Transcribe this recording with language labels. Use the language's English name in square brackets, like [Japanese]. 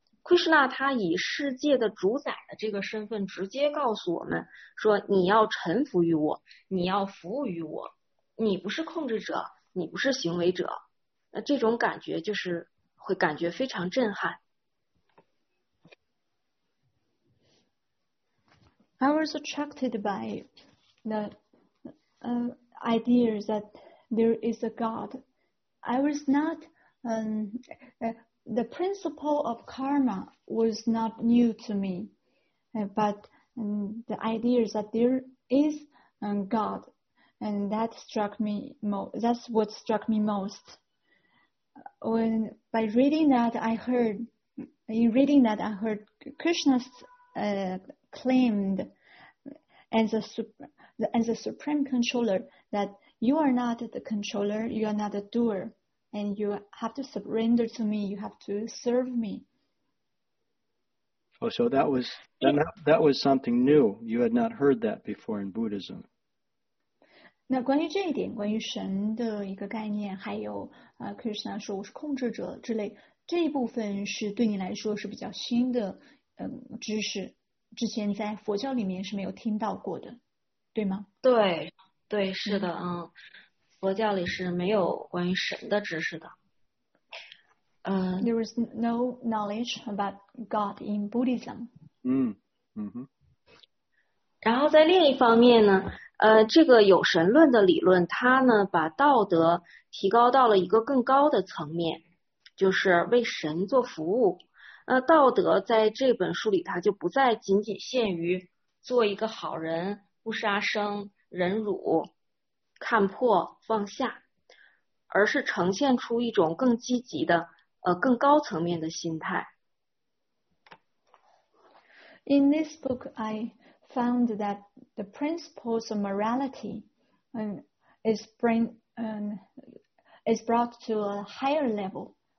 [Chinese] Krishna 他以世界的主宰的这个身份，直接告诉我们说：“你要臣服于我，你要服务于我，你不是控制者，你不是行为者。 ”那这种感觉就是会感觉非常震撼。 [English] I was attracted by the idea that there is a God. I was not the principle of karma was not new to me, but the idea that there is God, and that's what struck me most. In reading that, I heard Krishna's claimed as a supreme controller, that you are not the controller, you are not the doer, and you have to surrender to me, you have to serve me. Oh, so that was something new. You had not heard that before in Buddhism. [Chinese] 那关于这一点，关于神的一个概念，还有Krishna 说我是控制者之类，这一部分是对你来说是比较新的知识。之前在佛教里面是没有听到过的，对吗？对，对，是嗯。的，佛教里是没有关于神的知识的。 [English] There is no knowledge about God in Buddhism. [Chinese] 然后在另一方面呢，这个有神论的理论，它呢把道德提高到了一个更高的层面，就是为神做服务。那道德在这本书里，它就不再仅仅限于做一个好人、不杀生、忍辱、看破、放下，而是呈现出一种更积极的、更高层面的心态。 [English] In this book, I found that the principles of morality, is brought to a higher level.